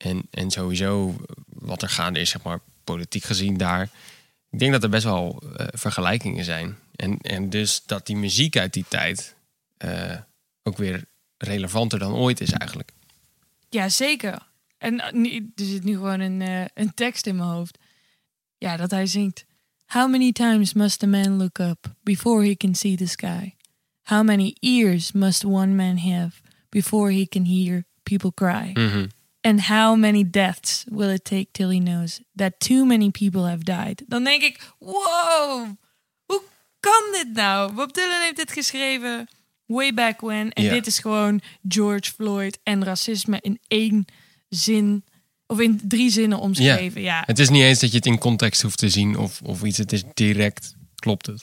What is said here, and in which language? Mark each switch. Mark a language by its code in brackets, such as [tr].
[nl] En sowieso wat er gaande is, zeg maar, politiek gezien daar. Ik denk dat er best wel vergelijkingen zijn. En dus dat die muziek uit die tijd ook weer relevanter dan ooit is eigenlijk. Ja, zeker. En er zit nu gewoon een tekst in mijn hoofd. Ja, dat hij zingt. [en] How many times must a man look up before he can see the sky? How many ears must one man have before he can hear people cry? Mm-hmm. And how many deaths will it take till he knows that too many people have died? [nl] Dan denk ik, wow, hoe kan dit nou? Bob Dylan heeft dit geschreven [en] way back when. [nl] En yeah. Dit is gewoon George Floyd en racisme in één zin. Of in drie zinnen omschreven, ja. Het is niet eens dat je het in context hoeft te zien of iets. Het is direct, klopt het?